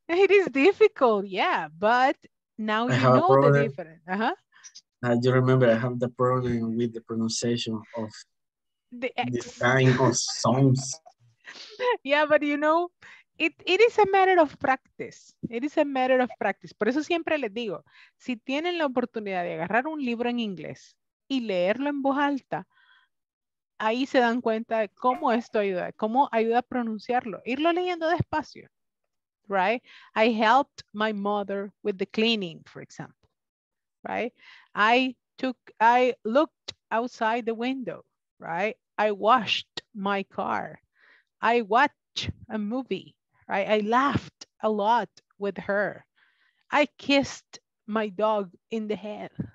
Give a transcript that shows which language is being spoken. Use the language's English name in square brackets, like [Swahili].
[English] It is difficult, yeah. But now you know the difference. I do remember I have the problem with the pronunciation of the design of songs. Yeah, but you know, it is a matter of practice. It is a matter of practice. [Spanish] Por eso siempre les digo, si tienen la oportunidad de agarrar un libro en inglés y leerlo en voz alta, ahí se dan cuenta de cómo esto ayuda, cómo ayuda a pronunciarlo. Irlo leyendo despacio, right? [English] I helped my mother with the cleaning, for example, right? I looked outside the window, right? I washed my car. I watched a movie. Right, I laughed a lot with her. I kissed my dog in the head.